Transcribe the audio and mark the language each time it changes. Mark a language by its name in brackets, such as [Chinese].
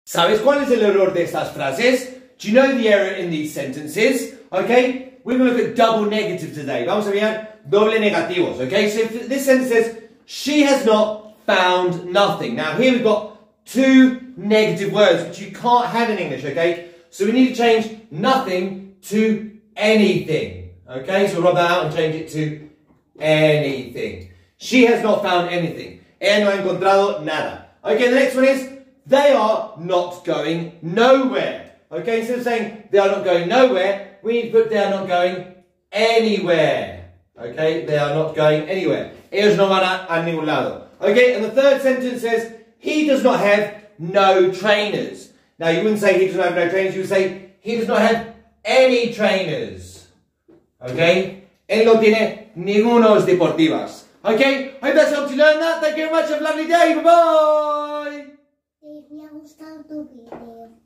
[Spanish] ¿Sabes cuál es el error de estas frases? [English] Do you know the error in these sentences? Okay, we're going to look at double negative today. [Spanish] Vamos a mirar doble negativos, [English] okay? So this sentence says, she has not found nothing. Now here we've got two negative words, which you can't have in English, okay? So we need to change nothing to anything, okay? So we'll rub that out and change it to anything. She has not found anything. [Spanish] Ella no ha encontrado nada. [English] Okay, the next one is, they are not going nowhere. Okay, instead of saying they are not going nowhere, we need to put they are not going anywhere. Okay, they are not going anywhere. [Spanish] Ellos no van a ningún lado. [English] Okay, and the third sentence says, he does not have no trainers. Now, you wouldn't say he doesn't have no trainers, you would say he does not have any trainers. [Spanish] Okay, él no tiene ningunos deportivas. [English] Okay, I hope that's helped you learn that. Thank you very much. Have a lovely day. Bye-bye. If you have a start to be there.